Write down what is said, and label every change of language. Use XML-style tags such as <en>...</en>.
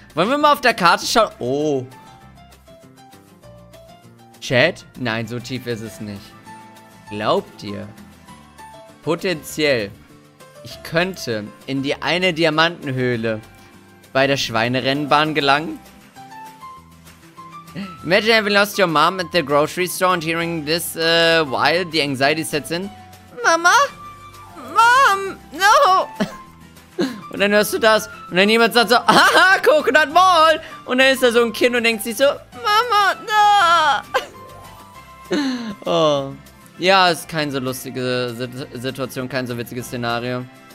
<de>Wollen wir mal auf der Karte schauen? Oh. Chat? Nein, so tief ist es nicht. Glaubt ihr? Potenziell. Ich könnte in die eine Diamantenhöhle bei der Schweinerennbahn gelangen.</de> <en>Imagine having lost your mom at the grocery store and hearing this while the anxiety sets in. Mama? Mom? No!</en> <de>Und dann hörst du das und dann jemand sagt so, haha, Coconut Ball! Und dann ist da so ein Kind und denkt sich so, Mama, no! Oh. Ja, ist keine so lustige Situation, kein so witziges Szenario.</de>